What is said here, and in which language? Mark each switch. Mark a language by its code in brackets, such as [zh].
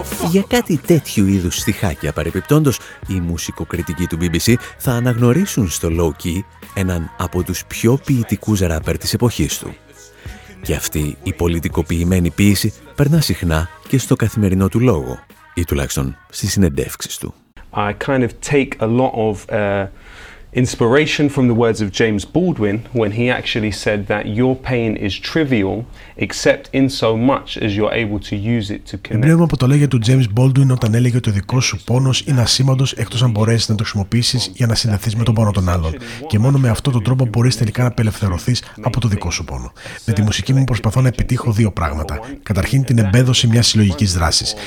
[el] Για κάτι τέτοιου είδους στιχάκια παρεπιπτόντος, οι μουσικοκριτικοί του BBC θα αναγνωρίσουν στο Low Key έναν από τους πιο ποιητικούς ράπερ της εποχής του. Και αυτή η πολιτικοποιημένη ποίηση περνά συχνά και στο καθημερινό του λόγο, ή τουλάχιστον στις συνεντεύξεις του. [en] I kind of take a lot of inspiration from the words of James Baldwin when he actually said that your pain is trivial except in so much as you're able to use it to connect. [el] Εμπνέομαι από το λέγε του James Baldwin όταν έλεγε ότι ο δικός σου πόνος είναι ασήμαντος εκτός αν μπορέσεις να το χρησιμοποιήσεις για να συνδεθείς με τον πόνο των άλλων. Και μόνο με αυτόν τον τρόπο μπορείς τελικά να απελευθερωθείς από το δικό σου πόνο. Με τη μουσική μου προσπαθώ να επιτύχω δύο πράγματα. Καταρχήν την εμπέδωση μιας συλλογικής δράσης.